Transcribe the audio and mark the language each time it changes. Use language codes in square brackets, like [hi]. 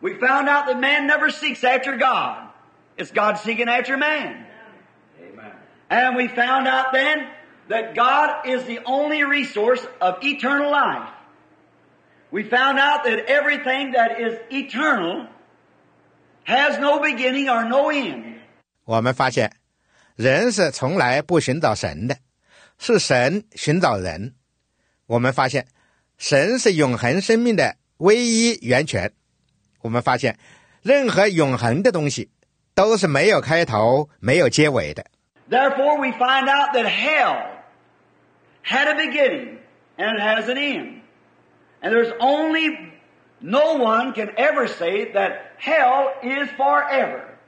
[en] We found out that man never seeks after God. It's God seeking after man. And we found out then that God is the only resource of eternal life. We found out that everything that is eternal has no beginning or no end. [zh] 我们发现，人是从来不寻找神的，是神寻找人。我们发现，神是永恒生命的唯一源泉。我们发现，任何永恒的东西都是没有开头、没有结尾的。 [en] Therefore, we find out that hell had a beginning and it has an end. And there's only no one can ever say that hell is forever.